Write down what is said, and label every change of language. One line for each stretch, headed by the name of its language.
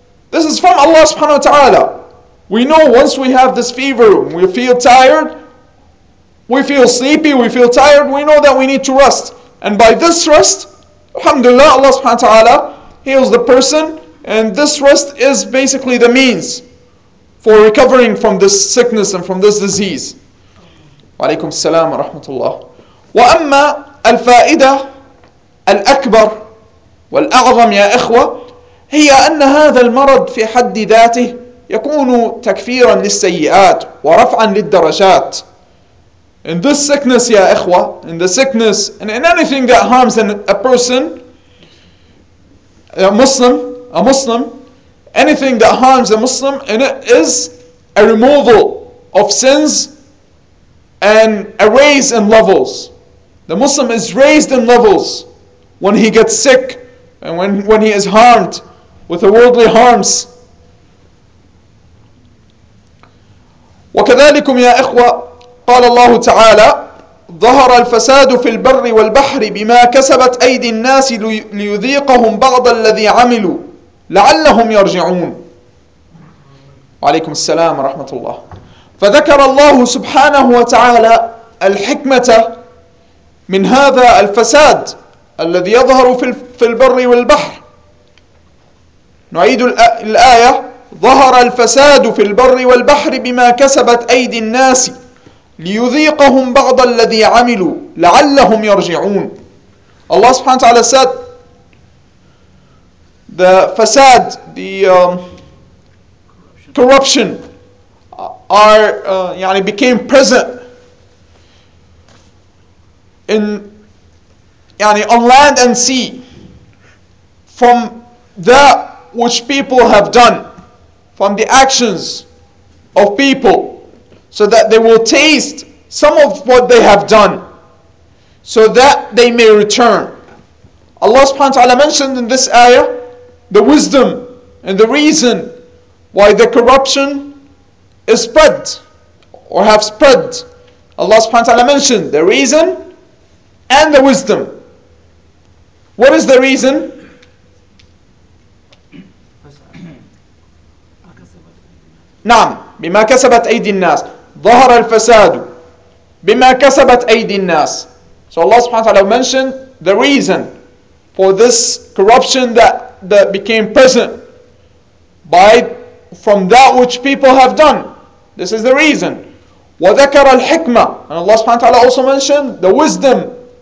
English: This is from Allah subhanahu wa ta'ala. We know once we have this fever, we feel tired, we feel sleepy, we feel tired, we know that we need to rest. And by this rest, alhamdulillah, Allah subhanahu wa ta'ala heals the person. And this rest is basically the means for recovering from this sickness and from this disease.
Arabic: وعليكم السلام ورحمة الله. وأما الفائدة الأكبر والأعظم يا إخوة هي أن هذا المرض في حد ذاته يكون تكفيرا للسيئات ورفعا للدرجات.
English: In this sickness, ya ikhwa, in the sickness, and in anything that harms a person, a Muslim, anything that harms a Muslim, and it is a removal of sins and a raise in levels. The Muslim is raised in levels when he gets sick And when he is harmed with the worldly harms.
Arabic: وكذلكم يا إخوة قال الله تعالى ظهر الفساد في البر والبحر بما كسبت أيدي الناس ليذيقهم بعض الذي عملوا لعلهم يرجعون. وعليكم السلام ورحمة الله. فذكر الله سبحانه وتعالى الحكمة من هذا الفساد الذي يظهر في البر والبحر. نعيد الآية ظهر الفساد في البر والبحر بما كسبت أيدي الناس ليذيقهم بعض الذي عملوا لعلهم يرجعون.
English: الله سبحانه وتعالى said the فساد, the corruption are يعني became present in يعني on land and sea from that which people have done, from the actions of people, so that they will taste some of what they have done, so that they may return. Allah subhanahu wa ta'ala mentioned in this ayah the wisdom and the reason why the corruption is spread or have spread. Allah subhanahu wa ta'ala mentioned the reason and the wisdom. What is the reason?
Arabic: نعم بما كسبت أيدي الناس ظهر الفساد بما كسبت أيدي الناس.
English: So Allah subhanahu wa ta'ala mentioned the reason for this corruption that became present by from that which people have done. This is the reason.
Arabic: وذكر الحكمة.
English: And Allah subhanahu wa ta'ala also mentioned the wisdom.